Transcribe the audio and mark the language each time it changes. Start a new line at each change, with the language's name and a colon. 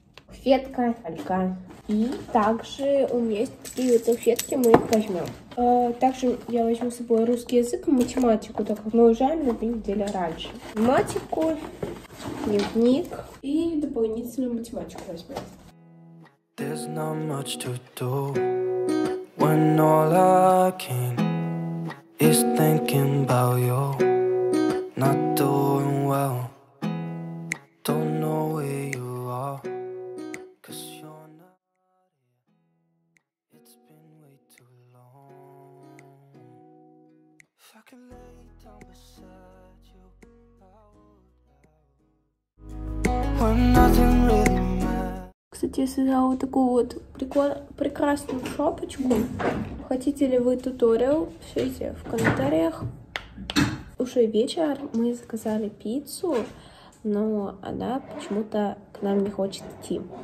Russian: Фетка, алька. И также у меня есть такие вот фетки, мы их возьмем. Также я возьму с собой русский язык и математику, так как мы уезжаем на 2 недели раньше. Математику, дневник и дополнительную математику возьмем.
English: There's not much to do when all I can is thinking about you. Not doing well. Don't know where you are. Cause you're not. It's been way too long. If I could lay down beside you, I would. When nothing really.
Russian: Кстати, я создала вот такую вот прекрасную шапочку. Хотите ли вы туториал? Пишите в комментариях. Уже вечер, мы заказали пиццу, но она почему-то к нам не хочет идти.